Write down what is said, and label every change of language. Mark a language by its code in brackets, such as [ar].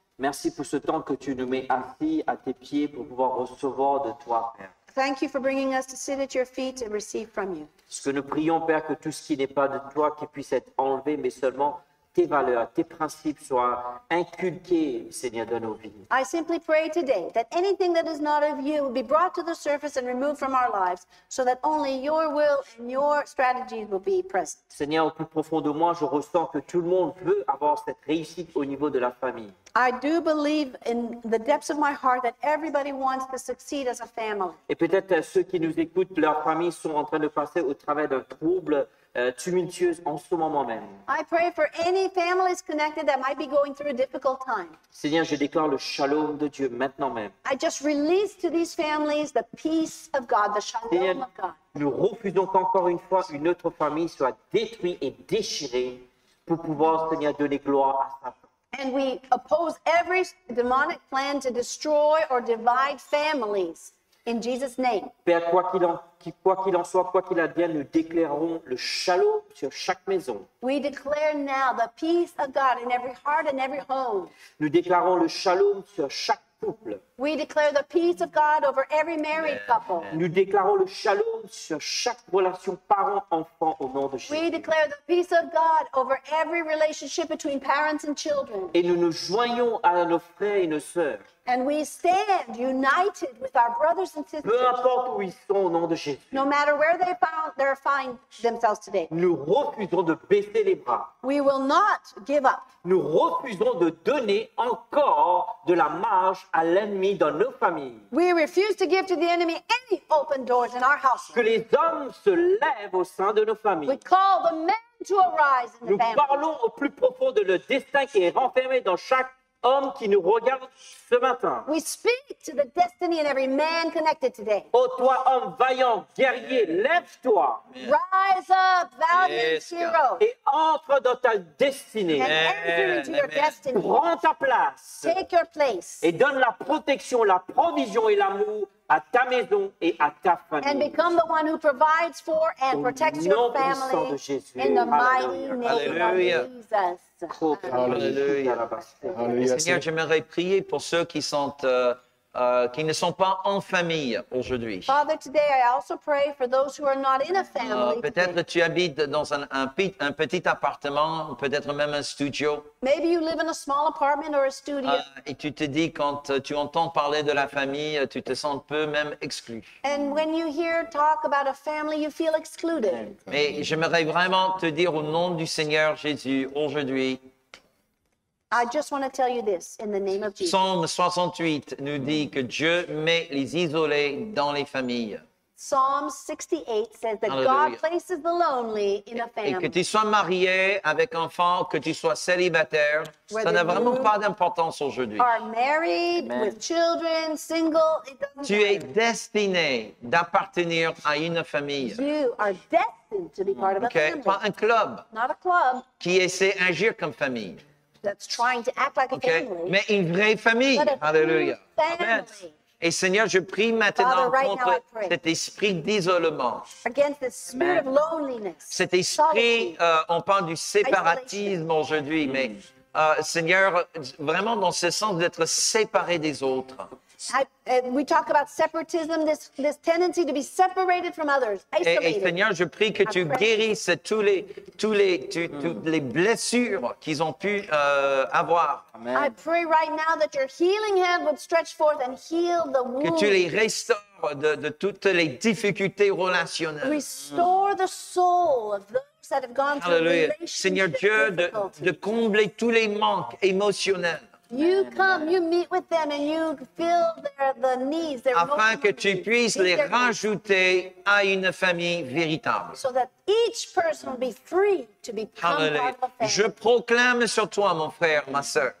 [fr] Merci pour ce temps que tu nous mets assis à tes pieds pour pouvoir recevoir de toi, Père. [en] Thank you for bringing us to sit at your feet and receive from you. [fr] Ce que nous prions, Père, que tout ce qui n'est pas de toi qui puisse être enlevé, mais seulement tes valeurs, tes principes soient inculqués, Seigneur, dans nos vies. [en] I simply pray today that anything that is not of you will be brought to the surface and removed from our lives, so that only your will and your strategies will be present. [fr] Seigneur, au plus profond de moi, je ressens que tout le monde veut avoir cette réussite au niveau de la famille. [en] I do believe in the depths of my heart that everybody wants to succeed as a family. [fr] Et peut-être ceux qui nous écoutent, leurs familles sont en train de passer au travers d'un trouble tumultueux en ce moment même. [en] I pray for any families connected that might be going through a difficult time. [fr] Seigneur, je déclare le shalom de Dieu maintenant même. [en] I just release to these families the peace of God, the shalom [fr] Seigneur, [en] of God. [fr] Nous refusons qu'encore une fois une autre famille soit détruite et déchirée pour pouvoir, Seigneur, donner gloire à sa famille. [en] And we oppose every demonic plan to destroy or divide families in Jesus' name. [fr] Père, quoi qu'il en soit, quoi qu'il advienne, nous déclarons le shalom sur chaque maison. [en] We declare now the peace of God in every heart and every home. [fr] Nous déclarons le shalom sur chaque couple. [en] We declare the peace of God over every married couple. [fr] Nous déclarons le shalom sur chaque relation parent-enfant au nom de Jésus. [en] We declare the peace of God over every relationship between parents and children. [fr] Et nous nous joignons à nos frères et nos sœurs. [en] And we stand united with our brothers and sisters. [fr] Peu importe où ils sont au nom de Jésus. [en] No matter where they find themselves today. [fr] Nous refusons de baisser les bras. [en] We will not give up. [fr] Nous refusons de donner encore de la marge à l'ennemi dans nos familles. [en] We refuse to give to the enemy any open doors in our houses. [fr] Que les hommes se lèvent au sein de nos familles. [en] We call the men to arise in [fr] nous Nous parlons au plus profond de le destin qui est renfermé dans chaque homme qui nous regarde ce matin. [en] We speak to the destiny in every man connected today. [fr] Oh, toi, homme vaillant, guerrier, lève-toi. [en] Rise up, valiant yes, hero. [fr] Et entre dans ta destinée. [en] And enter into your destiny. [fr] Prends ta place. [en] Take your place. [fr] Et donne la protection, la provision et l'amour à ta maison et à ta famille. [en] And become the one who provides for and protects your family. [fr] Au nom puissant de Jésus. [en] In the mighty name of Jesus. [fr] Alléluia. Seigneur, j'aimerais prier pour ceux qui ne sont pas en famille aujourd'hui. [en] Father, today I also pray for those who are not in a family. [fr] Peut-être [en] today. [fr] Tu habites dans un petit appartement, peut-être même un studio. [en] Maybe you live in a small apartment or a studio. [fr] Et tu te dis quand tu entends parler de la famille, tu te sens peu même exclu. [en] And when you hear talk about a family, you feel excluded. [fr] Mais j'aimerais vraiment te dire au nom du Seigneur Jésus aujourd'hui. [en] I just want to tell you this in the name of Jesus. [fr] Psalm 68 nous dit que Dieu met les isolés dans les familles. [en] Psalm 68 says that Alleluia. God places the lonely in a family. [fr] Et que tu sois marié avec enfant, que tu sois célibataire, [en] whether [fr] ça n'a vraiment pas d'importance aujourd'hui. [en] Are married, Amen. With children, single, it doesn't matter. [fr] Tu es destiné d'appartenir à une famille. [en] You are destined to be part of a family. [fr] Pas un club. [en] Not a club. [fr] Qui essaie d'agir comme famille. [en] That's trying to act like okay. a family. [fr] Mais une vraie famille. Alléluia. [en] Amen. [fr] Et Seigneur, je prie maintenant [en] Father, right [fr] contre cet esprit d'isolement. [en] Against the spirit of loneliness. [fr] Cet esprit, on parle du séparatisme aujourd'hui, mais Seigneur, vraiment dans ce sens d'être séparé des autres. [en] We talk about separatism, this tendency to be separated from others, isolated. [fr] Et Seigneur, je prie que tu guérisses toutes les blessures qu'ils ont pu avoir. [en] Amen. I pray right now that your healing hand would stretch forth and heal the wounds. [fr] Que tu les restaures de toutes les difficultés relationnelles. [en] Restore the soul of those that have gone through [fr] Alléluia. [en] Relationship [fr] Seigneur Dieu, de combler tous les manques émotionnels. [en] You come, you meet with them, and you fill the needs. [fr] Afin que tu puisses les rajouter à une famille véritable. [en] So that each person will be free to become part of a family. [fr] Je proclame sur toi, mon frère, ma sœur.